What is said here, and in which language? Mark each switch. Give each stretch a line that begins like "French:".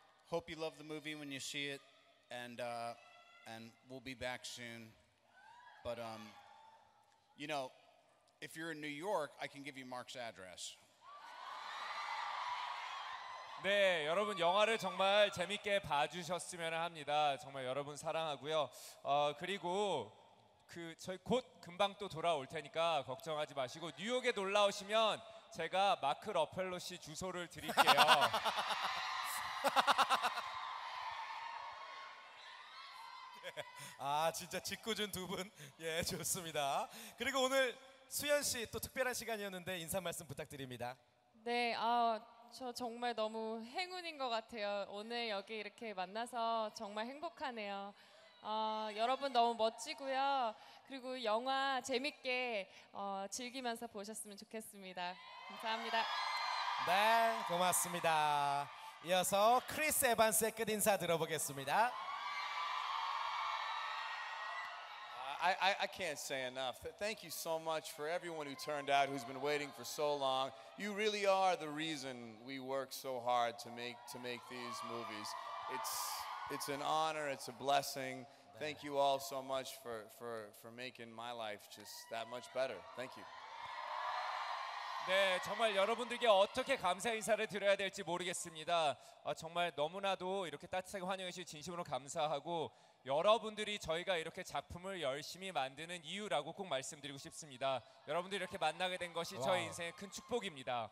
English: Hope you love the movie when you see it and we'll be back soon. But you know, if you're in New York, I can give you Mark's address.
Korean: 네, 여러분 영화를 정말 재밌게 봐주셨으면 합니다. 정말 여러분 사랑하고요. 그리고 저희 곧 금방 또 돌아올 테니까 걱정하지 마시고 뉴욕에 놀러 오시면 제가 마크 러펠로 씨 주소를 드릴게요. (웃음) 아, 진짜 짓궂은 두 분. 예, 좋습니다. 그리고 오늘 수현 씨 또 특별한 시간이었는데 인사 말씀 부탁드립니다. 네, 저 정말 너무 행운인 것 같아요. 오늘 여기 이렇게 만나서 정말 행복하네요. 여러분 너무 멋지고요. 그리고 영화 재밌게 즐기면서 보셨으면 좋겠습니다. 감사합니다. 네, 고맙습니다. 이어서 크리스 에반스의 끝인사 들어보겠습니다.
English: I can't say enough. Thank you so much for everyone who turned out, who's been waiting for so long. You really are the reason we work so hard to make these movies. It's an honor, it's a blessing. Thank you all so much for making my life just that much better. Thank you.
Korean: 네, 정말 여러분들께 어떻게 감사 인사를 드려야 될지 모르겠습니다. 정말 너무나도 이렇게 따뜻하게 환영해 주셔서 진심으로 감사하고 여러분들이 저희가 이렇게 작품을 열심히 만드는 이유라고 꼭 말씀드리고 싶습니다. 여러분들이 이렇게 만나게 된 것이 저희 인생의 큰 축복입니다.